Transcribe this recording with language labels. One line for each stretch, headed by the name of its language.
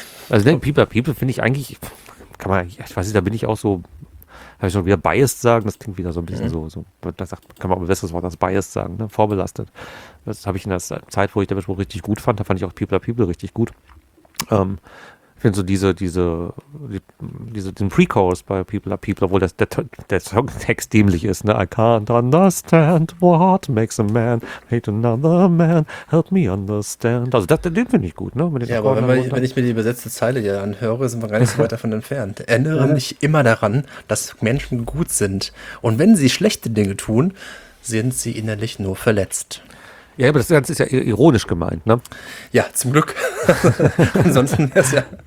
German: Also, ne, People Are People finde ich eigentlich, kann man, ich weiß nicht, da bin ich auch so, habe ich schon wieder biased sagen, das klingt wieder so ein bisschen so, da sagt, kann man auch ein besseres Wort als biased sagen, ne? Vorbelastet. Das habe ich in der Zeit, wo ich den Spruch richtig gut fand, da fand ich auch People Are People richtig gut. Ich finde so diesen Pre-Chorus bei People Are People, obwohl der Songtext dämlich ist, ne?
English: I can't understand what makes a man hate another man, help me understand.
German: Also den finde ich gut, ne? Wenn ich mir die übersetzte Zeile hier anhöre, sind wir gar nicht so weit davon entfernt. Erinnere mich immer daran, dass Menschen gut sind. Und wenn sie schlechte Dinge tun, sind sie innerlich nur verletzt. Ja, aber das Ganze ist ja ironisch gemeint, ne? Ja, zum Glück. Ansonsten wäre es ja.